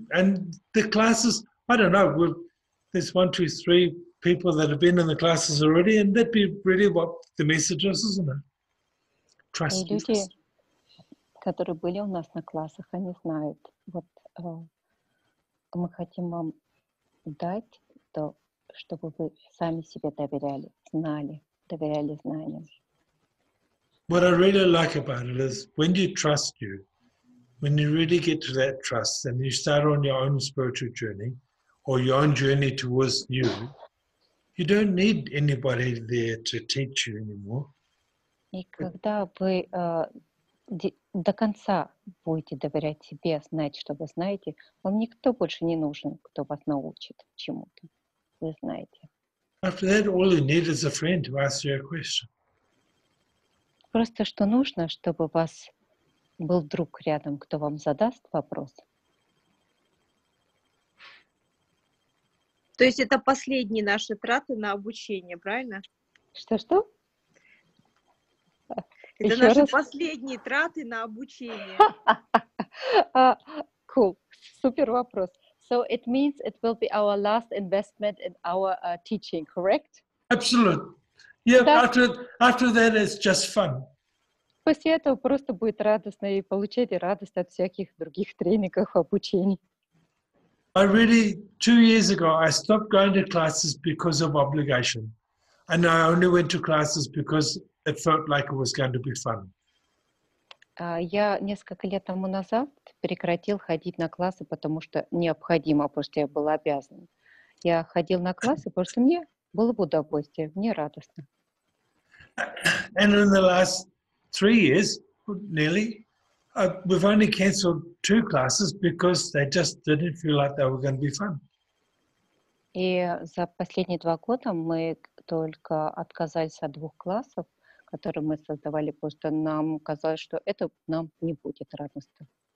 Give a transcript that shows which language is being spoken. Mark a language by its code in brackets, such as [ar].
[en] And the classes, I don't know, there's 1, 2, 3 people that have been in the classes already, and that'd be really what the message is, isn't it? Trust. [ru] Люди, которые были у нас на классах, они знают. Вот мы хотим вам дать то, чтобы вы сами себе доверяли, знали, доверяли знаниям. [en] What I really like about it is when you trust you, when you really get to that trust and you start on your own spiritual journey or your own journey towards you, you don't need anybody there to teach you anymore. [ru] И когда вы до конца будете доверять себе, знать, что вы знаете, вам никто больше не нужен, кто вас научит чему-то. Вы знаете. [en] After that, all you need is a friend to ask you a question. [ru] Просто что нужно, чтобы вас был друг рядом, кто вам задаст вопрос. То есть это последние наши траты на обучение, правильно? Что-что? Это еще наши раз? Последние траты на обучение. Cool. Супер вопрос. [en] So it means it will be our last investment in our teaching, correct? Absolutely. Yeah, after that it's just fun. [ru] После этого просто будет радостно и получать радость от всяких других тренингов, обучений. [en] I really, 2 years ago, I stopped going to classes because of obligation. And I only went to classes because it felt like it was going to be fun. [ru] Я несколько лет тому назад прекратил ходить на классы, потому что необходимо, потому что я был обязан. Я ходил на классы, потому что мне было бы удовольствие, мне радостно. [en] And in the last 3 years, nearly, we've only cancelled 2 classes because they just didn't feel like they were going to be fun. [ru] И за последние 2 года мы только отказались от 2 классов, которые мы создавали, потому что нам казалось, что это нам не будет радостно.